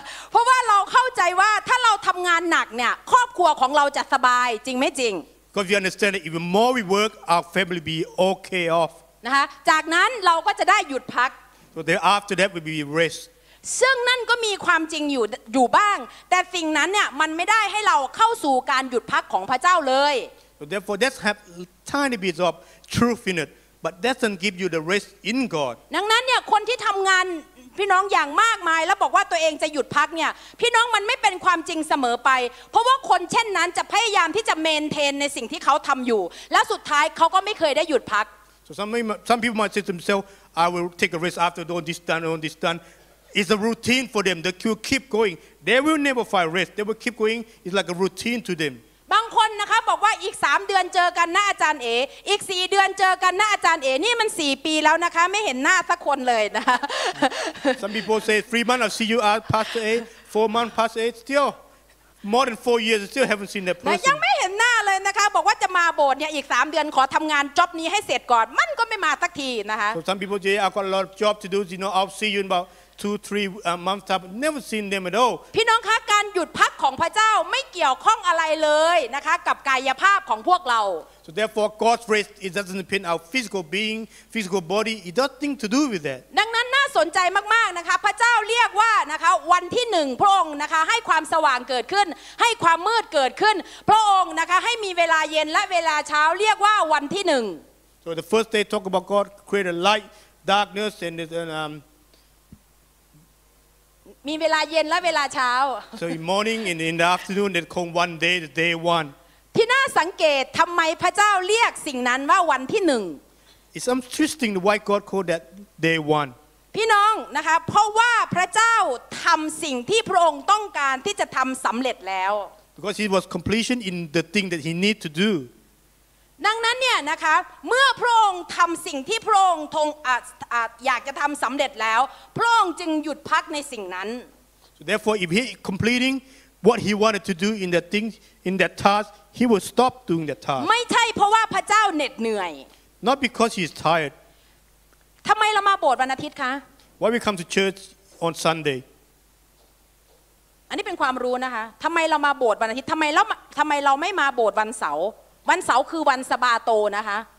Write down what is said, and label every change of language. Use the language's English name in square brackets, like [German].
[Thai] เพราะว่าเราเข้าใจว่าถ้าเราทำงานหนักเนี่ยครอบครัวของเราจะสบายจริงไม่จริง [English] Because we understand that even more we work our family be okay off [Thai] นะคะจากนั้นเราก็จะได้หยุดพัก [English] So after that we be rest [Thai] ซึ่งนั่นก็มีความจริงอยู่บ้างแต่สิ่งนั้นเนี่ยมันไม่ได้ให้เราเข้าสู่การหยุดพักของพระเจ้าเลย [English] So therefore that's have tiny bits ofTruth in it, but doesn't give you the rest in God. [Thai] ดังนั้นเนี่ยคนที่ทำงานพี่น้องอย่างมากมายแล้วบอกว่าตัวเองจะหยุดพักเนี่ยพี่น้องมันไม่เป็นความจริงเสมอไปเพราะว่าคนเช่นนั้นจะพยายามที่จะเมนเทนในสิ่งที่เขาทำอยู่แล้วสุดท้ายเขาก็ไม่เคยได้หยุดพัก [English] So some people might say to themselves, I will take a rest after doing this done. It's a routine for them. They will keep going. They will never find rest. They will keep going. It's like a routine to them. [Thai] บางคนนะคะบอกว่าอีก3เดือนเจอกันหน้าอาจารย์เออีก4เดือนเจอกันหน้าอาจารย์เอนี่มัน4ปีแล้วนะคะไม่เห็นหน้าสักคนเลยนะ [English] Some people say 3 months I'll see you out Pastor A 4 months Pastor A still more than 4 years still haven't seen that person [Thai] ยังไม่เห็นหน้าเลยนะคะบอกว่าจะมาโบสถ์เนี่ยอีก3เดือนขอทำงานจ็อบนี้ให้เสร็จก่อนมันก็ไม่มาสักทีนะคะ [English] Some people say I've got a lot of job to do you know I'll see you in about 2-3 months up never seen them at all [Thai] พี่น้องคะการหยุดพักของพระเจ้าไม่เกี่ยวข้องอะไรเลยนะคะกับกายภาพของพวกเรา [English] So therefore God's rest it doesn't depend on our physical being physical body it does nothing to do with that [Thai] ดังนั้นน่าสนใจมากๆนะคะพระเจ้าเรียกว่านะคะวันที่1พระองค์นะคะให้ความสว่างเกิดขึ้นให้ความมืดเกิดขึ้นพระองค์นะคะให้มีเวลาเย็นและเวลาเช้าเรียกว่าวันที่1 [English] So the first day talk about God created light darkness and [Thai] มีเวลาเย็นและเวลาเช้า [English] So in morning and in the afternoon they call one day the day one [Thai] ที่น่าสังเกตทำไมพระเจ้าเรียกสิ่งนั้นว่าวันที่หนึ่ง [English] It's interesting why God called that day one [Thai] พี่น้องนะคะเพราะว่าพระเจ้าทำสิ่งที่พระองค์ต้องการที่จะทำสำเร็จแล้ว [English] Because it was completion in the thing that he need to do [Thai] ดังนั้นเนี่ยนะคะเมื่อพระองค์ทำสิ่งที่พระองค์ทรงอยากจะทำสำเร็จแล้วพระองค์จึงหยุดพักในสิ่งนั้น [English] So therefore if he completing what he wanted to do in that thing in that task he would stop doing that task [Thai] ไม่ใช่เพราะว่าพระเจ้าเหน็ดเหนื่อย [English] Not because he is tired [Thai] ทำไมเรามาโบสถ์วันอาทิตย์คะ [English] Why we come to church on Sunday [Thai] อันนี้เป็นความรู้นะคะทำไมเรามาโบสถ์วันอาทิตย์ทำไมเราไม่มาโบสถ์วันเสาร์วันเสาร์คือวันสบาโตนะคะ